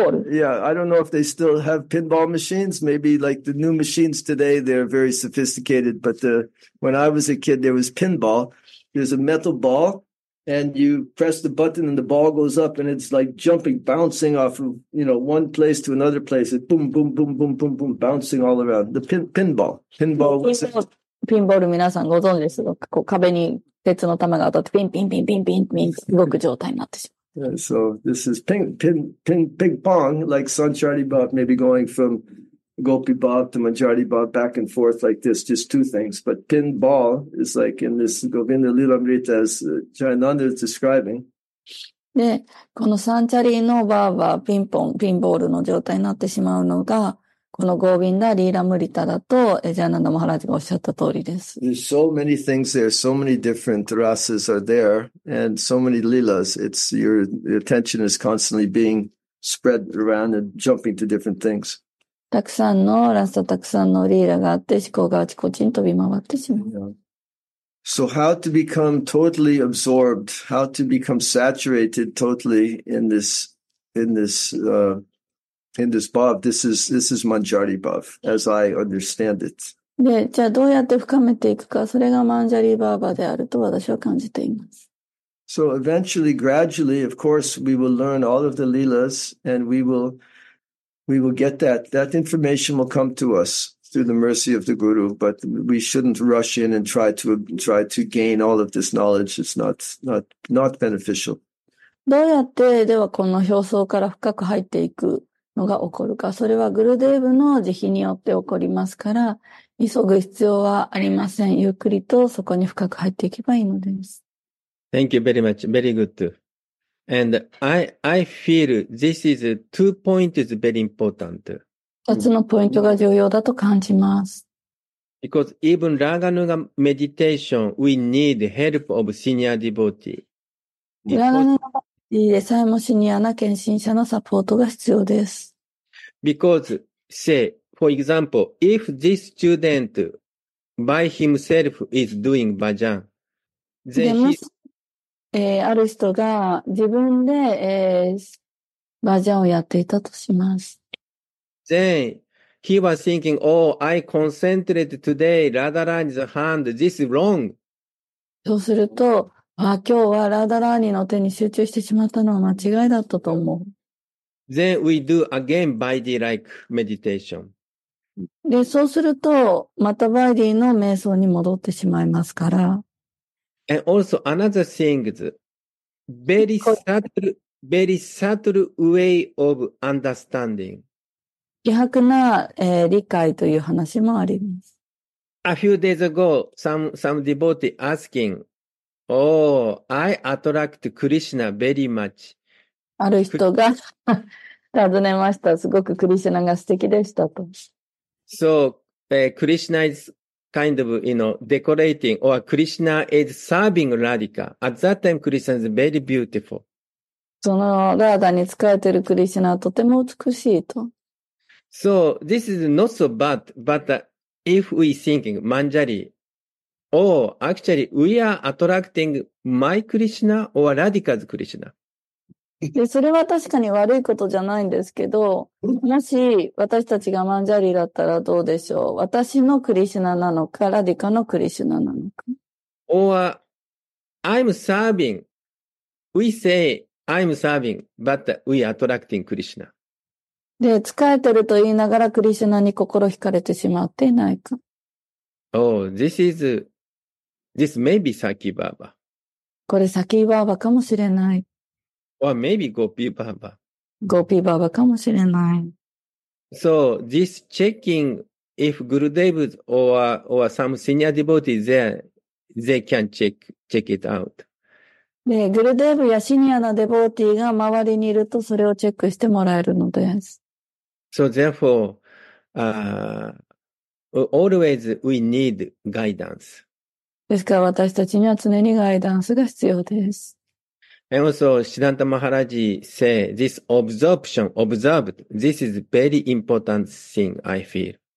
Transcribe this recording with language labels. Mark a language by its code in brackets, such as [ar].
[en] Yeah, I don't know if they still have pinball machines. Maybe like the new machines today, they're very sophisticated. But when I was a kid, there was pinball. There's a metal ball, and you press the button, and the ball goes up, and it's like jumping, bouncing off of, you know, one place to another place. It's boom, boom, boom, boom, boom, boom, bouncing all around. The pinball. Pinball was it. [ja] ピンボール皆さんご存知ですか？こう壁に鉄の玉が当たってピンピンピンピンピンピン動く状態になってしまう。 [en] Yeah, so this is ping pong, like Sanchari Bhav, maybe going from Gopi Bhav to Manjari Bhav, back and forth like this, just two things. But pinball is like in this Govinda Lilamrita as Jayananda is describing. [ja] で、このサンチャリのバーはピンポン、ピンボールの状態になってしまうのが、このゴービンダ・リーラ・ムリタだと、エジャーナンダ・マハラジがおっしゃった通りです。 [en] There's so many things there, so many different rasas are there, and so many lilas. Your attention is constantly being spread around and jumping to different things. [ja] たくさんのラサ、たくさんのリーラがあって、思考があちこちに飛び回ってしまう。 [en] So how to become totally absorbed, how to become saturated totally in this bhav, this is Manjari bhav, as I understand it. [ja] で、じゃあどうやって深めていくか、それがマンジャリバーバであると私は感じています。 [en] So eventually, gradually, of course, we will learn all of the lilas, and we will get that. That information will come to us through the mercy of the guru, but we shouldn't rush in and try to gain all of this knowledge. It's not beneficial. [ja] どうやってではこの表層から深く入っていくのが起こるか、それはグルデーブの慈悲によって起こりますから、急ぐ必要はありません。ゆっくりとそこに深く入っていけばいいのです。 [en] Thank you very much. Very good. And I feel this is two points very important. [ja] 二つのポイントが重要だと感じます。 [en] Because even Raganuga meditation, we need help of senior devotee. [ja] Raganuga でさえもシニアな献身者のサポートが必要です。 [en] Because, say, for example, if this student by himself is doing bhajan, then [ja] he... ある人が自分で、bhajan をやっていたとします。 [en] Then,He was thinking, oh, I concentrate today, Radharani's hand, this is wrong. [ja] そうすると、あ、今日はラダラーニの手に集中してしまったのは間違いだったと思う。 [en] Then we do again Vaidhi-like meditation. [ja] で、そうすると、またバイディの瞑想に戻ってしまいますから。 [en] And also another thing is, very subtle way of understanding. [ja] 希薄な、理解という話もあります。 [en] A few days ago, some devotee asking, Oh, I attract Krishna very much. [ja] ある人が尋ねました。すごくクリシナが素敵でしたと。 [en] So, Krishna is kind of, you know, decorating, or Krishna is serving Radhika. At that time, Krishna is very beautiful. [ja] そのラーダに仕えているクリシナはとても美しいと。 [en] So, this is not so bad, but if we thinking Manjari, oh, actually, we are attracting my Krishna or Radhika's Krishna. [ja] で、それは確かに悪いことじゃないんですけど、もし私たちがManjariだったらどうでしょう？私のクリシナなのか、ラディカのクリシナなのか。 [en] Or, I'm serving. We say, I'm serving, but we are attracting Krishna. [ja] で、疲れてると言いながら、クリシュナに心惹かれてしまっていないか。 [en] Oh, this may be Saki Baba. [ja] これ、Saki Baba かもしれない。 [en] Or maybe Gopi Baba. [ja] Gopi Baba かもしれない。 [en] So, this checking if Gurudev or some senior devotee there, they can check it out. [ja] で、Gurudev やシニアなデボーティーが周りにいると、それをチェックしてもらえるのです。 [en] So therefore, always we need guidance. [ja] ですから私たちには常にガイダンスが必要です。 [en] And also, Siddhanta Maharaj say, this absorption, observed, this is very important thing I feel.